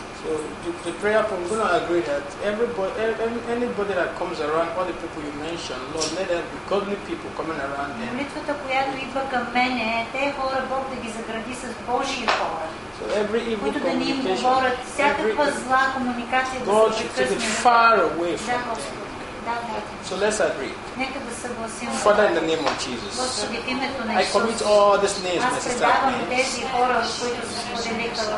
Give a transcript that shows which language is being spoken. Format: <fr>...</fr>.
<en>So the prayer from Bruno, I agree that anybody that comes around, all the people you mentioned, Lord, let there be godly people coming around them.</en> <bg>Молитвата, която идва към мене, те хора Бог да ги загради с Божи хора.</bg> <en>So every evil</en> <bg>които да не им говорят, всякаква зла комуникация да</bg> <en>God</en> <bg>се прекъсне.</bg> <en>God should take it far away from them. So let's agree.</en> <bg>Нека да съгласим.</bg> <en>Father, in the name of Jesus, I commit all these names, my sister's names.</en>